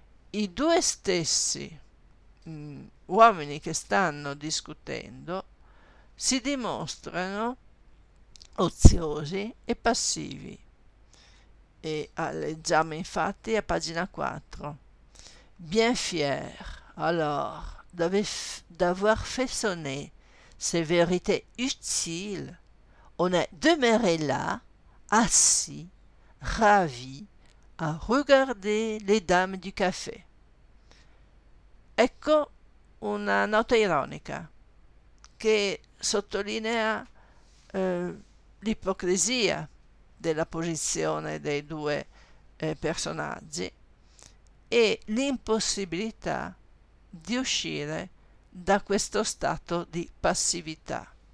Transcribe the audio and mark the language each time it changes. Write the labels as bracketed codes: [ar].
[it] I due stessi, uomini che stanno discutendo si dimostrano oziosi e passivi. E leggiamo infatti a pagina 4. [fr] Bien fier, alors, d'avoir fait sonner ces vérités utiles, on est demeuré là, assis, ravi, à regarder les dames du café. [it] Ecco una nota ironica che sottolinea l'ipocrisia della posizione dei due personaggi e l'impossibilità di uscire da questo stato di passività.